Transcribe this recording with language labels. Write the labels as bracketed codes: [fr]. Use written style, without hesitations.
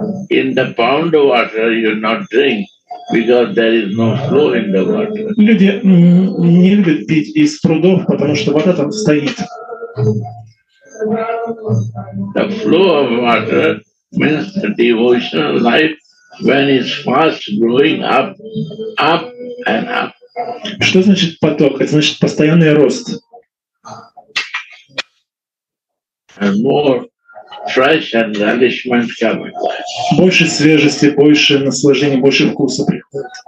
[en] In the pond water you not drink because there is no flow in the water. [ru] Люди не любят пить из прудов, потому что вода там стоит. [en] The flow of water means the devotional life when it's fast growing up, up and up. [ru] Что значит поток? Это значит постоянный рост. [en] And more fresh and relishment coming. [ru] Больше свежести, больше наслаждения, больше вкуса приходит.